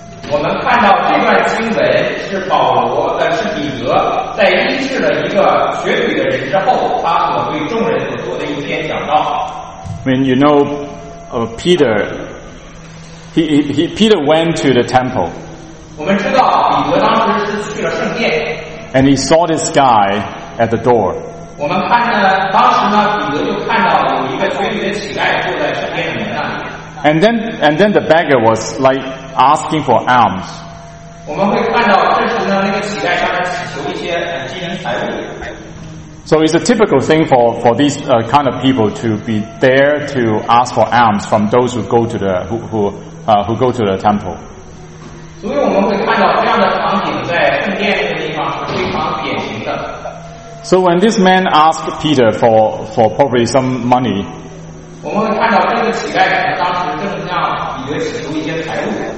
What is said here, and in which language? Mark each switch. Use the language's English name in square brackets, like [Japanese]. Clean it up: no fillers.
[Chinese] 我们看到这段经文是保罗的，是彼得在医治了一个瘸腿的人之后，他所对众人所做的一篇讲道。 [English] When you know, Peter, Peter went to the temple. [Chinese] 我们知道彼得当时是去了圣殿。 [English] And he saw this guy at the door. [Chinese] 我们看呢，当时呢，彼得就看到有一个瘸腿的乞丐坐在圣殿的门那里。 [English] And then the beggar was like asking for alms. [Chinese] 我们会看到这时呢，那个乞丐向他祈求一些金银财物。 [English] So it's a typical thing for these kind of people to be there to ask for alms from those who go to the who go to the temple. [Chinese] 所以我们会看到这样的场景在圣殿这个地方是非常典型的。 [English] So when this man asked Peter for probably some money. [Chinese] 我们会看到这个乞丐当时正向彼得祈求一些财物。